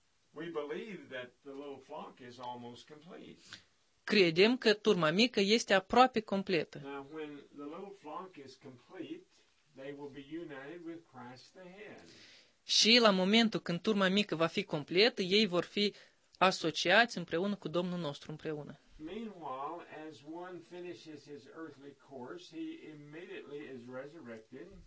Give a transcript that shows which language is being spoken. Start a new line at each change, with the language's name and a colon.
English: We believe that the little flock is almost complete.
Romanian: Credem că turma mică este aproape completă.
English: Now, when the little flock is complete, they will be united with Christ the head.
Romanian: Și la momentul când turma mică va fi completă, ei vor fi asociați împreună cu Domnul nostru împreună.
English: Meanwhile, as one finishes his earthly course, he immediately is resurrected.